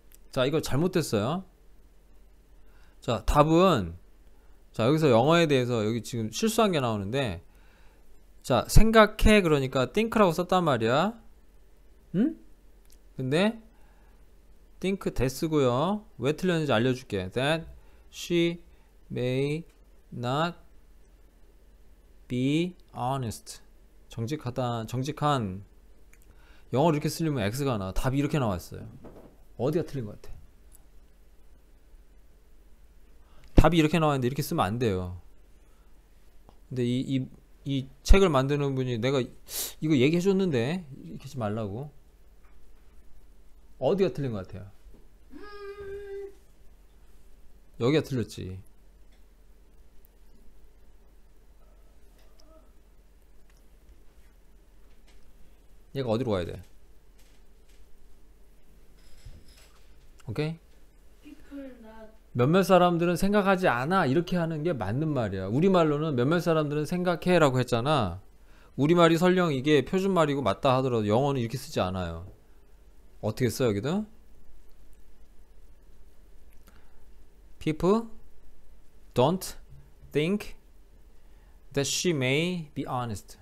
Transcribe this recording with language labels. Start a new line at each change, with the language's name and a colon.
Korean: 자, 이거 잘못됐어요. 자, 답은 자, 여기서 영어에 대해서 여기 지금 실수한 게 나오는데 자, 생각해 그러니까 think라고 썼단 말이야. 응? 근데 think this고요. 왜 틀렸는지 알려줄게.
English: That she may not Be honest.
Korean: 정직하다. 정직한. 영어를 이렇게 쓰려면 X가 나와. 답이 이렇게 나왔어요. 어디가 틀린 것 같아? 답이 이렇게 나왔는데 이렇게 쓰면 안 돼요. 근데 이 책을 만드는 분이 내가 이거 얘기해줬는데 이렇게 하지 말라고. 어디가 틀린 것 같아요? 여기가 틀렸지. 얘가 어디로 가야 돼? 오케이?
English: People not
Korean: 몇몇 사람들은 생각하지 않아. 이렇게 하는 게 맞는 말이야. 우리말로는 몇몇 사람들은 생각해 라고 했잖아. 우리말이 설령 이게 표준말이고 맞다 하더라도 영어는 이렇게 쓰지 않아요. 어떻게 써 여기도?
English: People don't think that she may be honest.